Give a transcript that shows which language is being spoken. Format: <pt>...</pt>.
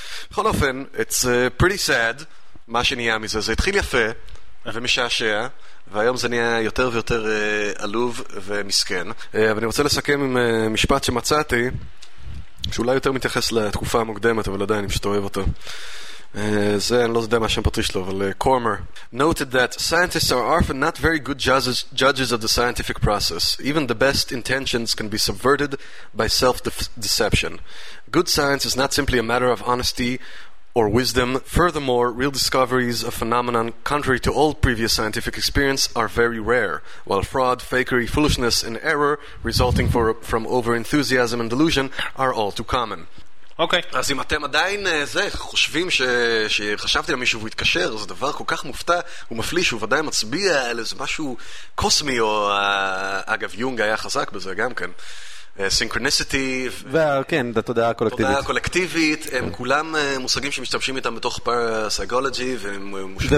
<he>בכל אופן,</he> <en>it's pretty sad</en> <he>מה שנהיה מזה. זה התחיל יפה ומשעשע, והיום זה נהיה יותר ויותר עלוב ומסכן. אבל אני רוצה לסכם עם משפט שמצאתי, שאולי יותר מתייחס לתקופה המוקדמת, אבל עדיין אני פשוט אוהב אותו. זה אני לא יודע מה שם פטרי שלו, אבל קורמר</he> <en>noted that scientists are often not very good judges of the scientific process. Even the best intentions can be subverted by self-deception. Good science is not simply a matter of honesty or wisdom. Furthermore, real discoveries of phenomenon contrary to all previous scientific experience are very rare, while fraud, fakery, foolishness and error resulting from over-enthusiasm and delusion are all too common.</en> <he>אוקיי. אז אם אתם עדיין חושבים שחשבתי על מישהו והוא התקשר, זה דבר כל כך מופתע ומפליא שהוא ודאי מצביע על איזה משהו קוסמי, או אגב יונג היה חזק בזה גם כן, סינקרוניסיטי, וכן, התודעה הקולקטיבית. התודעה הקולקטיבית, הם כולם מושגים שמשתמשים איתם בתוך פרסייקולוגי, והם מושגים...</he>